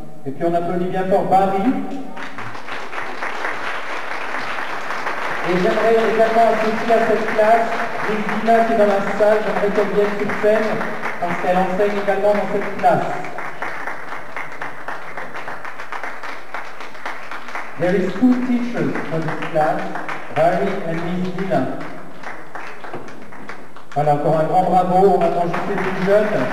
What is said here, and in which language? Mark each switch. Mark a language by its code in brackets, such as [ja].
[fr] Et puis on applaudit bien fort Barry. Et j'aimerais également associer à cette classe Rizina qui est dans la salle. J'aimerais qu'elle vienne sur scène parce qu'elle enseigne également dans cette classe. [en] There is two teachers for this class, Barry and Miss Dina. [fr] Voilà, encore un grand bravo, on attend juste les plus jeunes.